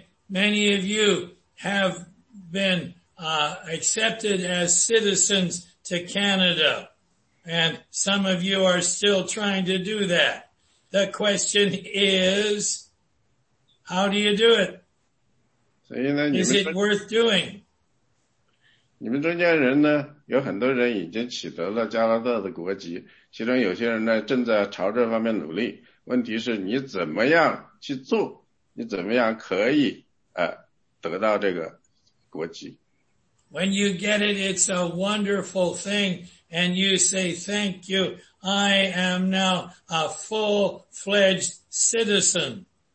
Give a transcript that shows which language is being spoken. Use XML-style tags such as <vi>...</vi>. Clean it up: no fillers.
<en>many of you have been accepted as citizens to Canada, and some of you are still trying to do that. The question is, how do you do it?</en> <zh>所以呢,</zh> <en>is it worth doing?</en> <zh>你们中间人呢，有很多人已经取得了加拿大的国籍，其中有些人呢正在朝这方面努力。问题是你怎么样去做，你怎么样可以得到这个国籍？</zh> <en>When you get it, it's a wonderful thing, and you say, thank you, I am now a full-fledged citizen.</en>